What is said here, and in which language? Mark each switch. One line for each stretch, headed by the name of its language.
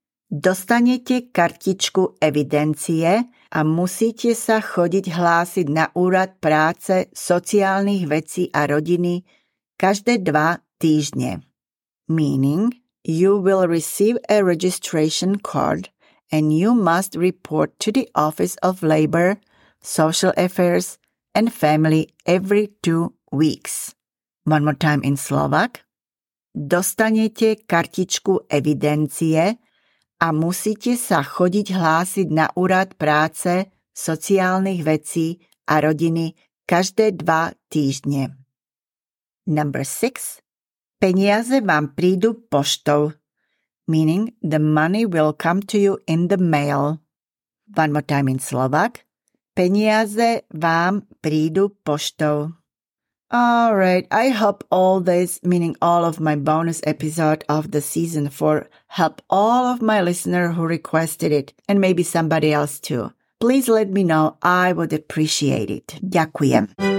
Slovak: Dostanete kartičku evidencie a musíte sa chodiť hlásiť na Úrad práce, sociálnych vecí a rodiny každé 2 týždne.
English: Meaning, you will receive a registration card and you must report to the Office of Labor, Social Affairs and Family every 2 weeks. One more time in Slovak.
Slovak: Dostanete kartičku evidencie a musíte sa chodiť hlásiť na Úrad práce, sociálnych vecí a rodiny každé 2 týždne.
English: Number 6.
Slovak: Peniaze vám prídu poštou,
English: meaning the money will come to you in the mail. One more time in Slovak.
Slovak: Peniaze vám prídu poštou.
English: All right, I hope all this, meaning all of my bonus episode of the season 4, help all of my listeners who requested it, and maybe somebody else too. Please let me know, I would appreciate it. Ďakujem.